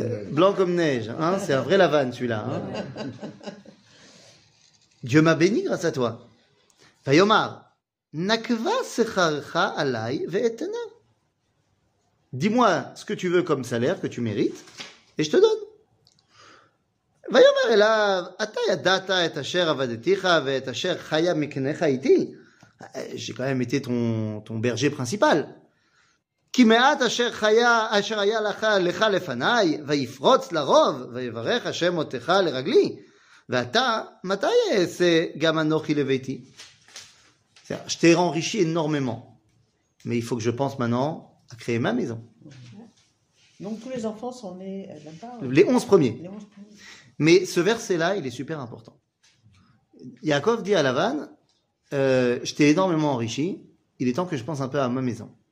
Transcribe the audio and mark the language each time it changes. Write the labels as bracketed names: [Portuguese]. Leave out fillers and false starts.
[French] Blanc comme neige, hein, c'est un vrai Lavan celui-là. Hein. Dieu m'a béni grâce à toi. [Hebrew] Vayomar, nakva secharcha alai ve'etena. [French] Dis-moi ce que tu veux comme salaire, que tu mérites, et je te donne. [Hebrew] ויאמר אליו, אתה ידעת את אשר עבדתיך ואת אשר חיה מקנך איתי. [French] J'ai quand même été ton berger principal. [Hebrew] כי מעט אשר חיה, אשר היה לך לפניי, ויפרוץ לרוב, ויברך השם אותך לרגלי. ואתה, מתי אעשה גם אנוכי לביתי? [French] Je t'ai enrichi énormément. Mais il faut que je pense maintenant à créer ma maison. Donc tous les enfants sont nés là-bas. Les 11 premiers. Mais ce verset-là, il est super important. Yaakov dit à Lavan, je t'ai énormément enrichi, il est temps que je pense un peu à ma maison.